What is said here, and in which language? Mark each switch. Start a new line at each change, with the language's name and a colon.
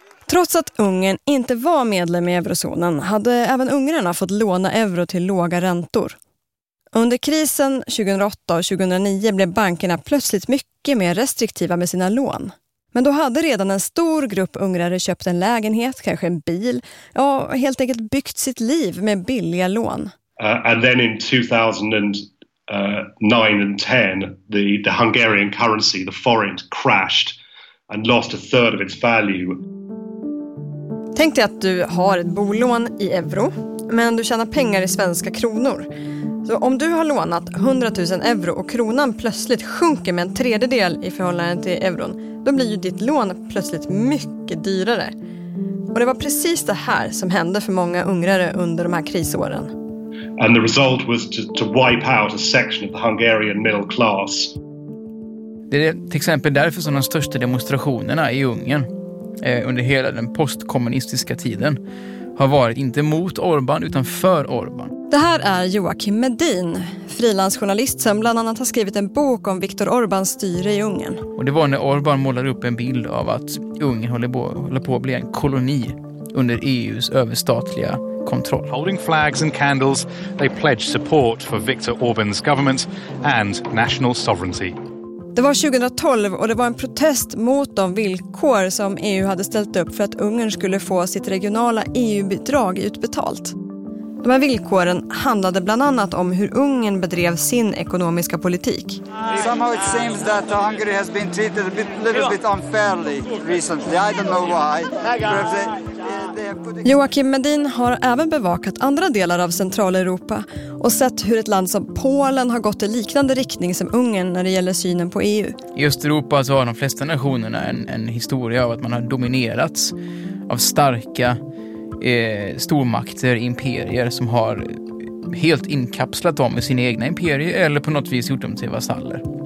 Swedish: Trots att Ungern inte var medlem i eurozonen hade även ungrarna fått låna euro till låga räntor. Under krisen 2008 och 2009 blev bankerna plötsligt mycket mer restriktiva med sina lån. Men då hade redan en stor grupp ungrare köpt en lägenhet, kanske en bil, ja, helt enkelt byggt sitt liv med billiga lån.
English: And then in 2009 and 10, the Hungarian currency, the forint, crashed and lost a third of its value.
Swedish: Tänk dig att du har ett bolån i euro, men du tjänar pengar i svenska kronor. Så om du har lånat 100 000 euro och kronan plötsligt sjunker med en tredjedel i förhållande till euron, då blir ju ditt lån plötsligt mycket dyrare. Och det var precis det här som hände för många ungrare under de här krisåren.
English: And the result was to wipe out a section of the Hungarian middle class.
Swedish: Det är till exempel därför som de största demonstrationerna i Ungern under hela den postkommunistiska tiden har varit inte mot Orbán utan för Orbán. Det här är Joakim Medin, frilansjournalist som bland annat har skrivit en bok om Viktor Orbáns styre i Ungern. Och det var när Orbán målade upp en bild av att Ungern håller på att bli en koloni under EU:s överstatliga kontroll.
English: Holding flags and candles, they pledged support for Viktor Orbáns government and national sovereignty.
Swedish: Det var 2012 och det var en protest mot de villkor som EU hade ställt upp för att Ungern skulle få sitt regionala EU-bidrag utbetalt. De här villkoren handlade bland annat om hur Ungern bedrev sin ekonomiska politik.
English: Somehow it seems that Hungary has been treated a bit, little bit unfairly recently. I don't know why.
Swedish: Joakim Medin har även bevakat andra delar av Centraleuropa och sett hur ett land som Polen har gått i liknande riktning som Ungern när det gäller synen på EU. I Östeuropa så har de flesta nationerna en historia av att man har dominerats av starka stormakter, imperier som har helt inkapslat dem i sina egna imperier eller på något vis gjort dem till vasaller.